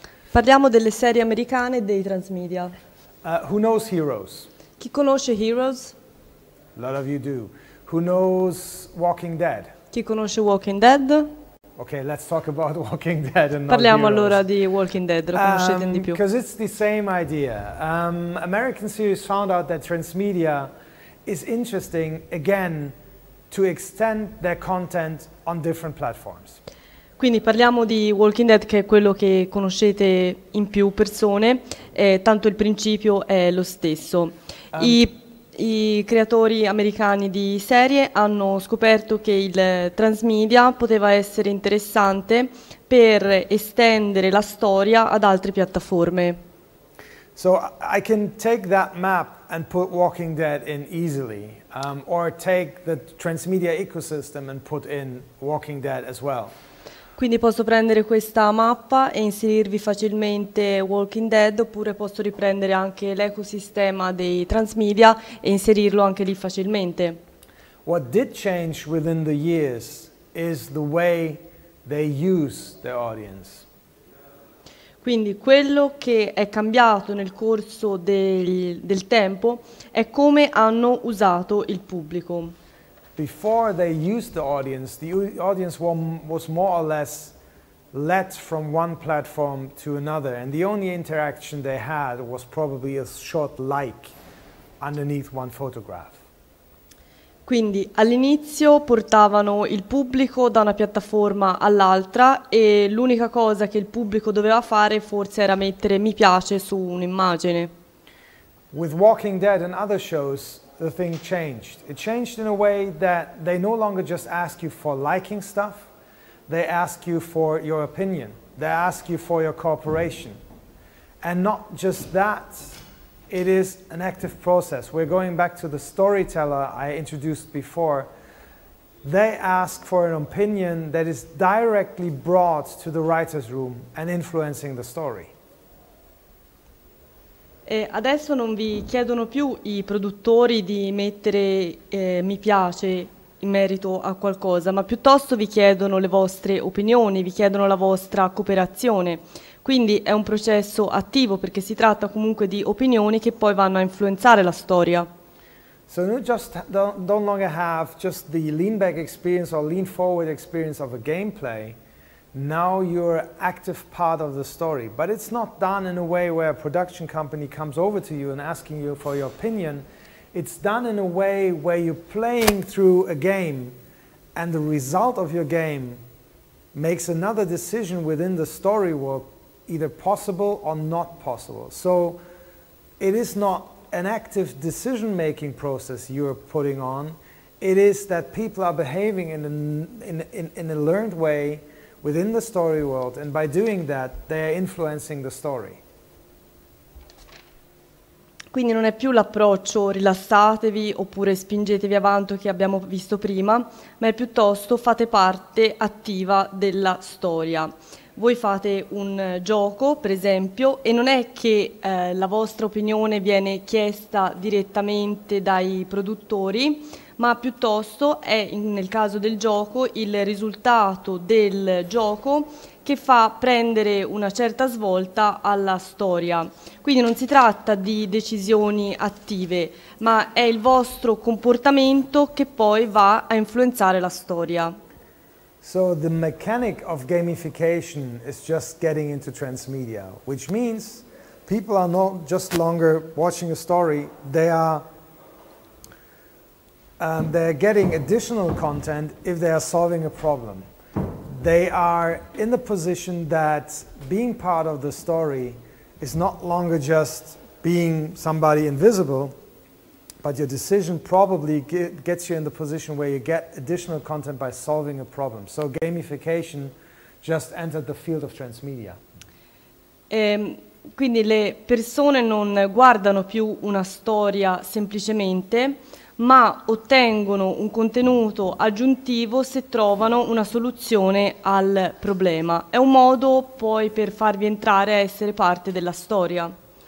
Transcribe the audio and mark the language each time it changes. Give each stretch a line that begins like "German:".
Italian: Parliamo delle serie americane e dei transmedia.
English: Who knows Heroes?
Italian: Chi conosce Heroes?
English: A lot of you do. Who knows Walking Dead?
Italian: Chi conosce Walking Dead?
English: Okay, let's talk about Walking Dead and
Italian: Parliamo
English: not Heroes.
Italian: Parliamo allora di Walking Dead, lo conoscete di più.
English: Because it's the same idea. American series found out that transmedia is interesting, again, to extend their content on different platforms.
Italian: Quindi parliamo di Walking Dead, che è quello che conoscete in più persone, tanto il principio è lo stesso. I creatori americani di serie hanno scoperto che il transmedia poteva essere interessante per estendere la storia ad altre piattaforme.
English: So I can take that map and put Walking Dead in easily. Or take the transmedia ecosystem and put in Walking Dead as well.
Italian: Quindi posso prendere questa mappa e inserirvi facilmente Walking Dead, oppure posso riprendere anche l'ecosistema dei transmedia e inserirlo anche lì facilmente.
English: What did change within the years is the way they use their audience.
Italian: Quindi quello che è cambiato nel corso del tempo è come hanno usato il pubblico.
English: Before they used the audience was more or less led from one platform to another, and the only interaction they had was probably a short like underneath one photograph.
Italian: Quindi all'inizio portavano il pubblico da una piattaforma all'altra e l'unica cosa che il pubblico doveva fare forse era mettere mi piace su un'immagine.
English: With Walking Dead and other shows, the thing changed. It changed in a way that they no longer just ask you for liking stuff, they ask you for your opinion, they ask you for your cooperation. And not just that, it is an active process. We're going back to the storyteller I introduced before. They ask for an opinion that is directly brought to the writer's room and influencing the story.
Italian: E adesso non vi chiedono più i produttori di mettere mi piace in merito a qualcosa, ma piuttosto vi chiedono le vostre opinioni, vi chiedono la vostra cooperazione. Quindi è un processo attivo, perché si tratta comunque di opinioni che poi vanno a influenzare la storia.
English: So you just don't longer have just the lean back experience or lean forward experience of a gameplay. Now you're active part of the story, but it's not done in a way where a production company comes over to you and asking you for your opinion. It's done in a way where you're playing through a game, and the result of your game makes another decision within the story world, either possible or not possible. So it is not an active decision-making process you're putting on. It is that people are behaving in a learned way within the story world, and by doing that, they are influencing the story.
Italian: Quindi non è più l'approccio rilassatevi oppure spingetevi avanti che abbiamo visto prima, ma è piuttosto fate parte attiva della storia. Voi fate un gioco, per esempio, e non è che la vostra opinione viene chiesta direttamente dai produttori, ma piuttosto è, nel caso del gioco, il risultato del gioco che fa prendere una certa svolta alla storia. Quindi non si tratta di decisioni attive, ma è il vostro comportamento che poi va a influenzare la storia.
English: So the mechanic of gamification is just getting into transmedia, which means people are not just longer watching a story, they're getting additional content if they are solving a problem. They are in the position that being part of the story is not longer just being somebody invisible, but your decision probably gets you in the position where you get additional content by solving a problem. So gamification just entered the field of transmedia.
Italian: Quindi le persone non guardano più una storia semplicemente, ma ottengono un contenuto aggiuntivo se trovano una soluzione al problema. È un modo poi per farvi entrare a essere parte della storia.